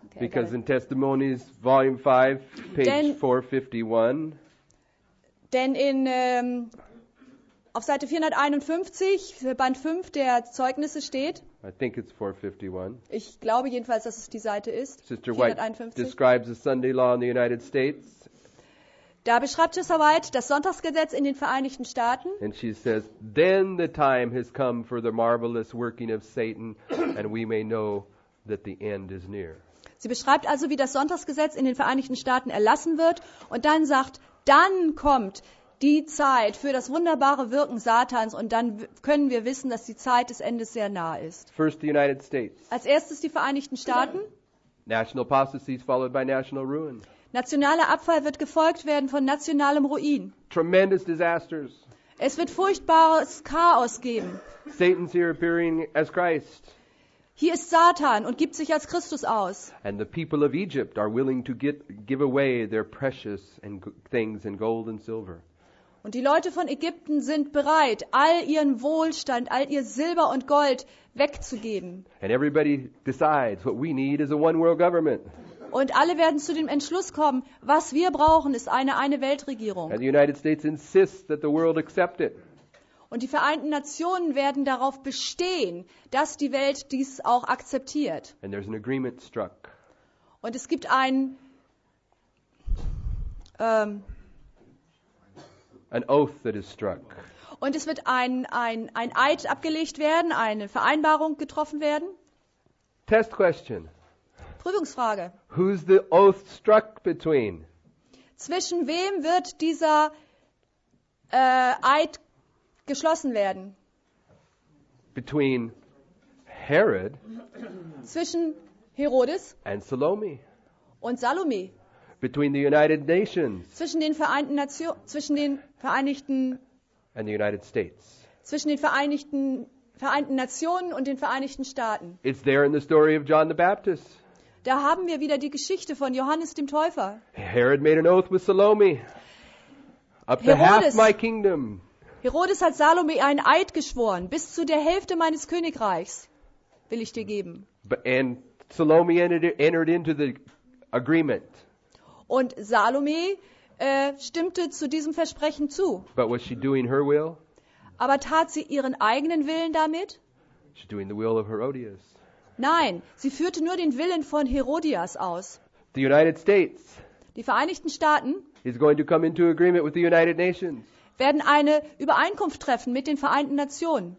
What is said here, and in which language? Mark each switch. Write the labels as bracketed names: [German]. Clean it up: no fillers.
[English] Okay, because in Testimonies, Volume 5, page 451. [German] Denn in auf Seite 451, Band 5 der Zeugnisse steht. [English] I think it's 451. [German] Ich glaube jedenfalls, dass es die Seite ist. [English] Sister White describes the Sunday law in the United States. [German] Da beschreibt Schwester White das Sonntagsgesetz in den Vereinigten Staaten. [English] And she says, then the time has come for the marvelous working of Satan, and we may know that the end is near. [German] Sie beschreibt also, wie das Sonntagsgesetz in den Vereinigten Staaten erlassen wird, und dann sagt, dann kommt die Zeit für das wunderbare Wirken Satans, und dann können wir wissen, dass die Zeit des Endes sehr nahe ist. [English] First the United States. [German] Als erstes die Vereinigten Staaten. [English] National apostasy is followed by national ruin. [German] Nationaler Abfall wird gefolgt werden von nationalem Ruin. [English] Tremendous disasters. [German] Es wird furchtbares Chaos geben. [English] Satan's here appearing as Christ. [German] Hier ist Satan und gibt sich als Christus aus. [English] And the people of Egypt are willing to give away their precious and things in gold and silver. [German] Und die Leute von Ägypten sind bereit, all ihren Wohlstand, all ihr Silber und Gold wegzugeben. [English] And everybody decides what we need is a one world government. [German] Und alle werden zu dem Entschluss kommen, was wir brauchen, ist eine Weltregierung. [English] And the United States insists that the world accept it. [German] Und die Vereinten Nationen werden darauf bestehen, dass die Welt dies auch akzeptiert. [English] And there's an agreement struck. [German] Und es gibt ein [English] an oath that is struck. [German] Und es wird ein Eid abgelegt werden, eine Vereinbarung getroffen werden. [English] Test question. [German] Prüfungsfrage. [English] Who's the oath struck between? [German] Zwischen wem wird dieser Eid geschlossen werden? [English] Between Herod [German] zwischen Herodes [English] and Salome. [German] Und Salome. [English] Between the United Nations [German] zwischen den Vereinten Nationen, zwischen den Vereinigten [English] and the United States [German] zwischen den Vereinten Nationen und den Vereinigten Staaten. [English] It's there in the story of John the Baptist. [German] Da haben wir wieder die Geschichte von Johannes dem Täufer. [English] Herod made an oath with Salome. Up to half my kingdom. [German] Herodes hat Salome einen Eid geschworen. Bis zu der Hälfte meines Königreichs will ich dir geben. [English] And Salome entered into the agreement. [German] Und Salome stimmte zu diesem Versprechen zu. [English] But was she doing her will? [German] Aber tat sie ihren eigenen Willen damit? [English] She's doing the will of Herodias. [German] Nein, sie führte nur den Willen von Herodias aus. [English] The United States. [German] Die Vereinigten Staaten. [English] Is going to come into agreement with the United Nations. [German] Werden eine Übereinkunft treffen mit den Vereinten Nationen.